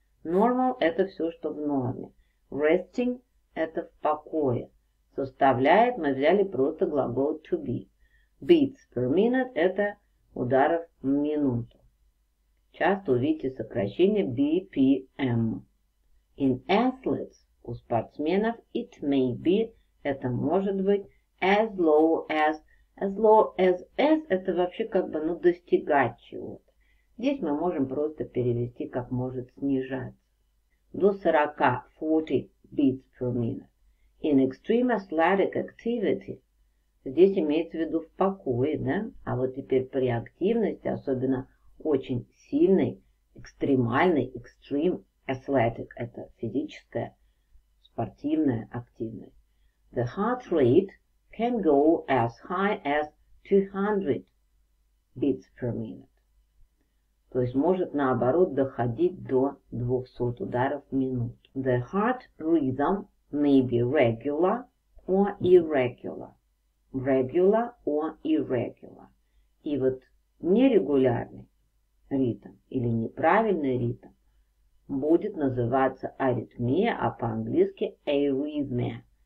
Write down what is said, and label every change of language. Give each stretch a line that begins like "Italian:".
Russian: Normal – это все, что в норме. Resting – это в покое. Составляет, мы взяли просто глагол to be.
English: Beats per minute
Russian: – это ударов в минуту. Часто увидите сокращение BPM.
English: In athletes –
Russian: у спортсменов
English: it may be –
Russian: это может быть
English: as low as. As low as
Russian: S – это вообще как бы, ну, достигать чего-то. Здесь мы можем просто перевести, как может снижаться. До 40
English: – 40 beats per minute. In extreme athletic activity
Russian: – здесь имеется в виду в покое, да? А вот теперь при активности, особенно очень сильной, экстремальной,
English: extreme athletic
Russian: – это физическая, спортивная активность.
English: The heart rate – can go as high as 200 beats per minute.
Russian: То есть может наоборот доходить до 200 ударов в минуту.
English: The heart rhythm may be regular or irregular. Regular or irregular.
Russian: И вот нерегулярный ритм или неправильный ритм будет называться аритмия, а по-английски arrhythmia.